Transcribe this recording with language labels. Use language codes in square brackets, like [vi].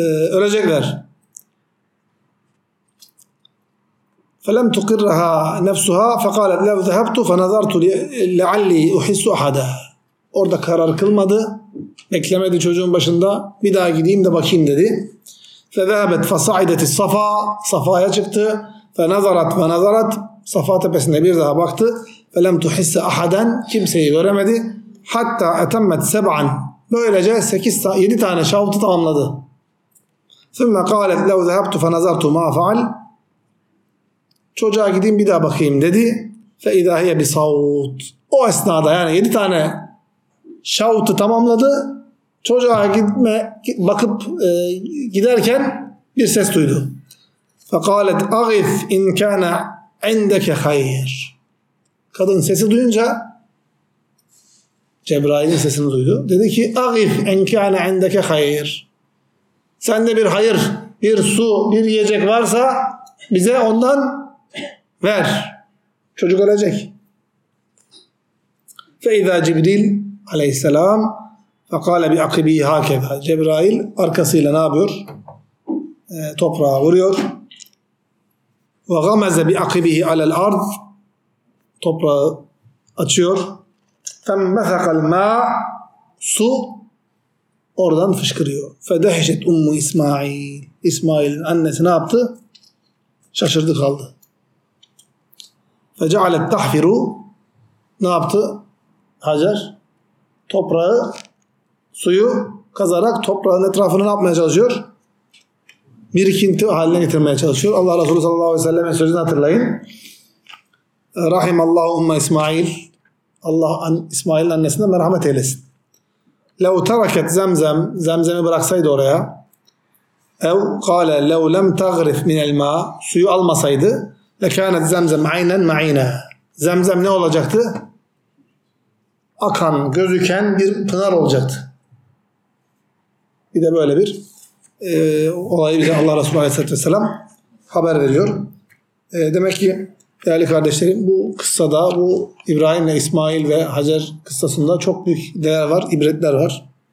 [tr] Ölecekler. [ar] فَلَمْ تُقِرَّهَا نَفْسُهَا فَقَالَتْ لَوْ ذَهَبْتُ فَنَظَرْتُ لَعَلِّي أُحِسُّ أَحَدًا. [tr] Orada karar kılmadı. Beklemedi çocuğun başında. Bir daha gideyim de bakayım dedi. [ar] فَذَهَبَتْ فَصَعِدَتِ الصَّفَا, [tr] Safa'ya çıktı. [ar] فَنَظَرَتْ وَنَظَرَتْ, [tr] Safa tepesine bir daha baktı. [ar] فَلَمْ تُحِسَّ أَحَدًا, [tr] kimseyi göremedi. [ar] حَتَّى أَتَمَّتْ سَبْعًا, [tr] böylece 8 7 tane şavtı tamamladı. [ar] ثُمَّ قَالَتْ لَوْ ذَهَبْتُ فَنَظَرْتُ مَا فَعَلَ, [tr] çocuğa gideyim bir daha bakayım dedi. [ar] فَاِذَا هِيَ بِصَوْتٍ, [tr] o esnada yani 7 tane şavtı tamamladı. Çocuğa gitme bakıp giderken bir ses duydu. [ar] فَقَالَتْ اَغِفْ اِنْ كَانَ عِنْدَكَ خَيْرٍ, [tr] kadın sesi duyunca, Cebrail'in sesini duydu. Dedi ki [ar] اَغِفْ اِنْ كَانَ عِنْدَكَ خَيْرٍ, [tr] sende bir hayır, bir su, bir yiyecek varsa bize ondan ver. Çocuk ölecek. [ar] فَاِذَا جِبْرِيلْ aleyhisselam فَقَالَ بِعَقِبِهِ هَاكَذَا, [tr] Cebrail arkasıyla ne yapıyor? Toprağa vuruyor. [ar] وَغَمَزَ بِعَقِبِهِ عَلَى الْاَرْضِ, [tr] toprağı açıyor. [ar] فَمْبَثَقَ الْمَا, [tr] su oradan fışkırıyor. [ar] فَدَهِشَتْ اُمُّ اِسْمَائِيلْ, [tr] İsmail'in annesi ne yaptı? Şaşırdı kaldı. [ar] فَجَعَلَتْ تَحْفِرُ, [tr] ne yaptı Hacer? Toprağı, suyu kazarak toprağın etrafını ne yapmaya çalışıyor? Birikinti haline getirmeye çalışıyor. Allah Resulü sallallahu aleyhi ve sellem'in sözünü hatırlayın. [ar] Rahimallahu umma İsmail, [tr] Allah İsmail'in annesine merhamet eylesin. [ar] لَوْ تَرَكَتْ زَمْزَمْ, [tr] zemzemi bıraksaydı oraya. [ar] اَوْ قَالَ لَوْ لَمْ تَغْرِفْ مِنَ الْمَا, [tr] suyu almasaydı. [ar] لَكَانَتْ زَمْزَمْ عَيْنًا مَعِينًا, [tr] zemzem ne olacaktı? Akan, gözüken bir pınar olacaktı. Bir de böyle bir olayı bize Allah Resulü Aleyhisselatü Vesselam haber veriyor. Demek ki değerli kardeşlerim, bu kıssada, bu İbrahim ve İsmail ve Hacer kıssasında çok büyük değer var, ibretler var.